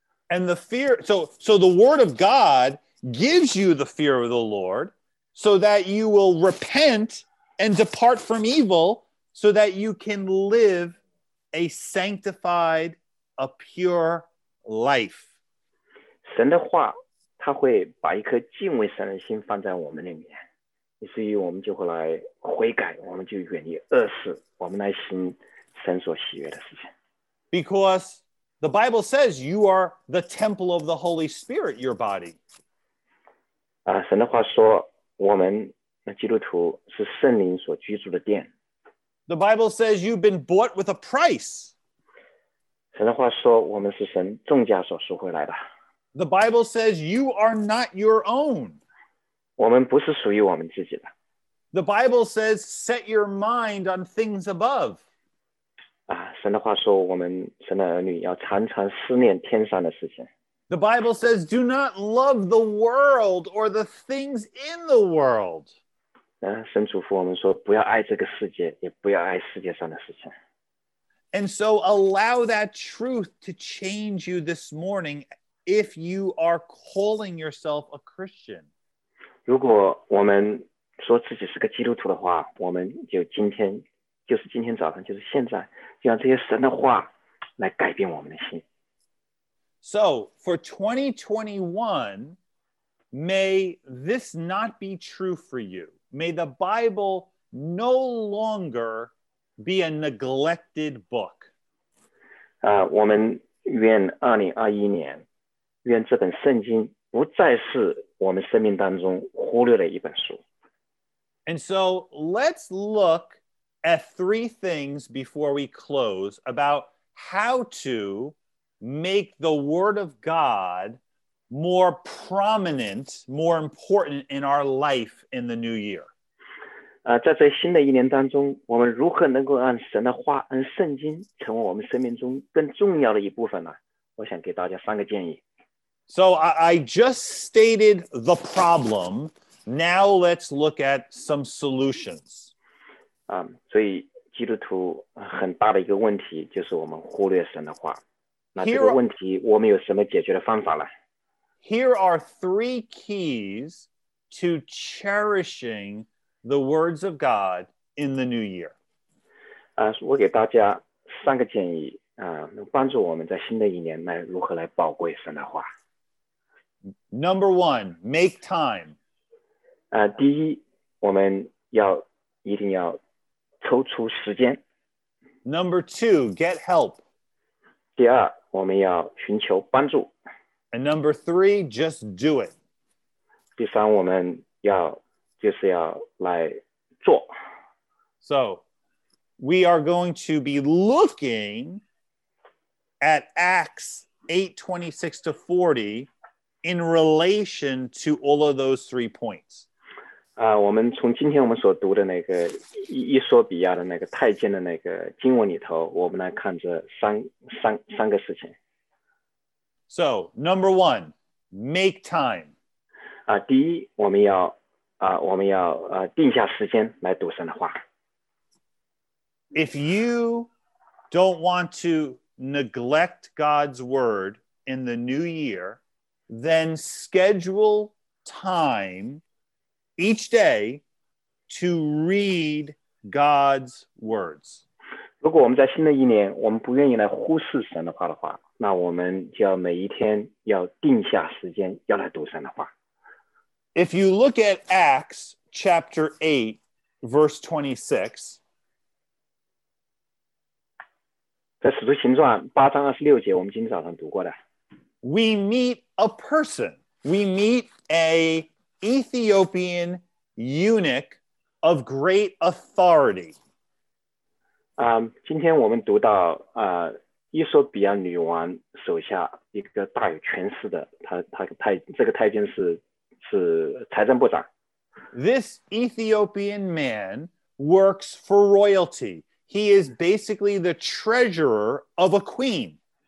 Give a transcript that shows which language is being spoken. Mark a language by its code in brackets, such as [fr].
[en] And the fear, so the word of God gives you the fear of the Lord so that you will repent and depart from evil so that you can live a sanctified, a pure life. [zh] 神的话，他会把一颗敬畏神的心放在我们里面，以至于我们就会来悔改，我们就远离恶事，我们来行神所喜悦的事情。 [en] Because the Bible says you are the temple of the Holy Spirit, your body. [zh] 神的话说，我们基督徒是圣灵所居住的殿。 [en] The Bible says you've been bought with a price. [zh] 神的话说，我们是神重价所赎回来的。 [en] The Bible says you are not your own. [zh] 我们不是属于我们自己的。 [en] The Bible says set your mind on things above. [zh] 神的话说，我们神的儿女要常常思念天上的事情。 [en] The Bible says do not love the world or the things in the world. [zh] 神嘱咐我们说，不要爱这个世界，也不要爱世界上的事情。 [en] And so allow that truth to change you this morning if you are calling yourself a Christian. [zh] 如果我们说自己是个基督徒的话，我们就今天，就是今天早上，就是现在，就让这些神的话来改变我们的心。 [en] So, for 2021, may this not be true for you. May the Bible no longer be a neglected book. [zh] 我们愿2021年，愿这本圣经不再是我们生命当中忽略的一本书。 [en] And so, let's look at three things before we close about how to make the word of God more prominent, more important in our life in the new year. [zh] 在这新的一年当中，我们如何能够让神的话、让圣经成为我们生命中更重要的一部分呢？我想给大家三个建议。 [en] So I just stated the problem. Now let's look at some solutions. [zh] 所以基督徒很大的一个问题就是我们忽略神的话。那这个问题我们有什么解决的方法呢？ [en] Here are three keys to cherishing the words of God in the new year. [zh] 我给大家三个建议，帮助我们在新的一年来如何来宝贵神的话。 [en] Number one, make time. [zh] 第一，我们要一定要抽出时间。 [en] Number two, get help. [zh] 第二，我们要寻求帮助。 [en] And number three, just do it. [zh] 第三，我们要就是要来做。 [en] So, we are going to be looking at Acts 8:26-40. In relation to all of those three points. [zh] 我们从今天我们所读的那个以索比亚的那个太监的那个经文里头，我们来看这三个事情。 [en] So, number one, make time. [zh] 第一，我们要我们要定下时间来读神的话。 [en] If you don't want to neglect God's word in the new year,then schedule time each day to read God's words. [zh] 如果我们在新的一年，我们不愿意来忽视神的话的话，那我们就要每一天要定下时间，要来读神的话。 [en] If you look at Acts chapter 8, verse 26, [zh] 在使徒行传八章二十六节，我们今天早上读过的。 [en] We meet a person. We meet an Ethiopian eunuch of great authority. [zh] 今天我们读到伊索比亚女王手下一个大有权势的这个太监是财政部长。 [en] This Ethiopian man works for royalty. He is basically the treasurer of a queen.